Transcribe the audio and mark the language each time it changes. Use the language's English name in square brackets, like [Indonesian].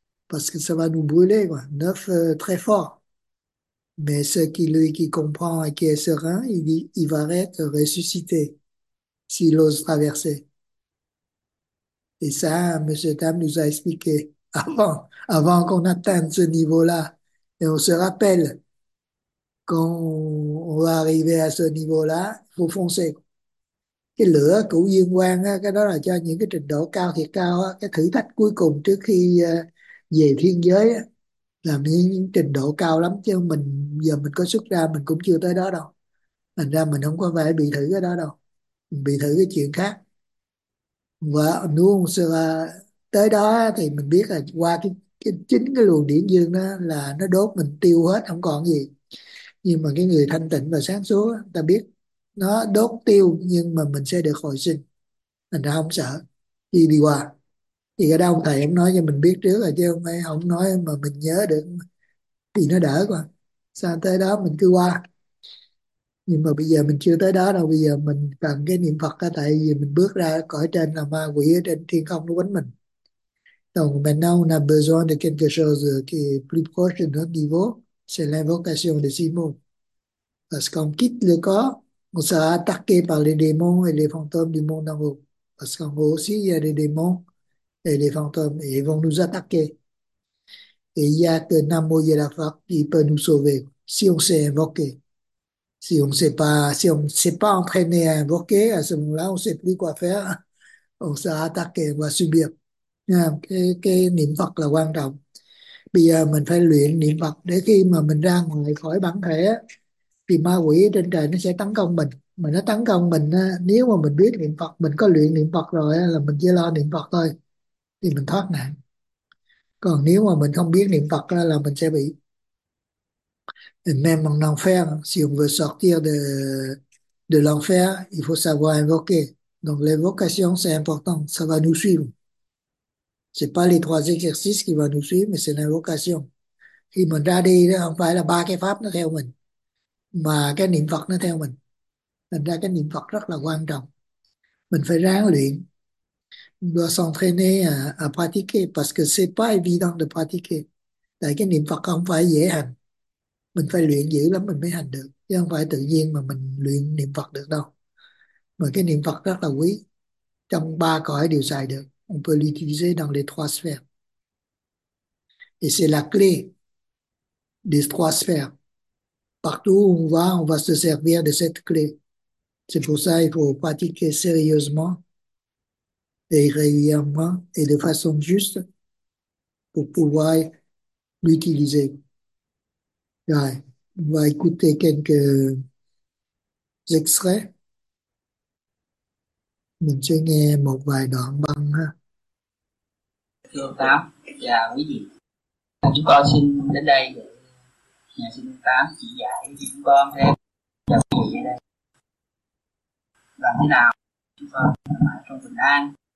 [French] Parce que ça va nous brûler, quoi. 9, très fort. Mais lui qui comprend et qui est serein, il va être ressuscité s'il ose traverser. Et ça, Monsieur Tam nous a expliqué avant qu'on atteigne ce niveau-là. Et on se rappelle qu'on va arriver à ce niveau-là, il faut foncer. [Vietnamese] Cái lửa của Dương Quang, cái đó là cho những cái trình độ cao thiệt cao, cái thử thách cuối cùng trước khi về thiên giới, làm những trình độ cao lắm, chứ mình giờ mình có xuất ra mình cũng chưa tới đó đâu. Thành ra mình không có phải bị thử cái đó đâu, mình bị thử cái chuyện khác. Và nếu tới đó thì mình biết là qua chính cái luồng điển dương đó là nó đốt mình tiêu hết không còn gì, nhưng mà cái người thanh tịnh và sáng suốt ta biết nó đốt tiêu nhưng mà mình sẽ được hồi sinh, mình đã không sợ khi đi qua. Thì ở đâu ông thầy ông nói cho mình biết trước rồi, chứ không nói mà mình nhớ được thì nó đỡ quá, sao tới đó mình cứ qua. Nhưng mà bây giờ mình chưa tới đó đâu, bây giờ mình cần cái niệm Phật đó, tại vì mình bước ra cõi trên là ma quỷ ở trên thiên không nó quánh mình. [French] Donc maintenant on a besoin de quelque chose qui est plus proche de notre niveau, c'est l'invocation des 6 mots. Parce qu'on quitte le corps, on sera attaqué par les démons et les fantômes du monde en haut. Parce qu'en haut aussi, il y a des démons et les fantômes, et ils vont nous attaquer. Et il n'y a que Namo Yadava qui peut nous sauver, si on sait invoquer. Si on ne s'est pas entraîné à invoquer, à ce moment-là, on ne sait plus quoi faire. On sera attaqué, on va subir. [Vietnamese] Cái niệm Phật là quan trọng. Bây giờ mình phải luyện niệm Phật để khi mà mình ra ngoài khỏi bản thể, Vì ma quỷ ở trên trời nó sẽ tấn công mình, mà nó tấn công mình nếu mà mình biết niệm Phật, mình có luyện niệm Phật rồi là mình chỉ lo niệm Phật thôi thì mình thoát nạn. Còn nếu mà mình không biết niệm Phật là mình sẽ bị [French] même en enfer, si on veut sortir de l'enfer, il faut savoir invoquer. Donc l'invocation, c'est important, ça va nous suivre. Ce n'est pas les trois exercices qui vont nous suivre, mais c'est l'invocation. [Vietnamese] Khi mình ra đi, không phải là ba cái pháp nó theo mình, mà cái niệm Phật nó theo mình. Thành ra cái niệm Phật rất là quan trọng. Mình phải ráng luyện. [French] On doit s'entraîner à pratiquer, parce que ce n'est pas évident de pratiquer. [Vietnamese] Tại cái niệm Phật không phải dễ hành. Mình phải luyện dữ lắm mình mới hành được, chứ không phải tự nhiên mà mình luyện niệm Phật được đâu. Mà cái niệm Phật rất là quý, trong ba cõi đều xài được. [French] On peut l'utiliser dans les trois sphères. Et c'est la clé des trois sphères. Partout où on va se servir de cette clé. C'est pour ça qu'il faut pratiquer sérieusement et régulièrement et de façon juste pour pouvoir l'utiliser. [Vietnamese] Rồi, [French] on va écouter quelques extraits. [Vietnamese] Mình sẽ nghe một vài đoạn băng ha. Thưa Tám và quý vị, chúng con xin đến đây để nhà xin Tám chỉ dạy chúng con thêm cho quý vị ở đây làm thế nào chúng con trong bình an.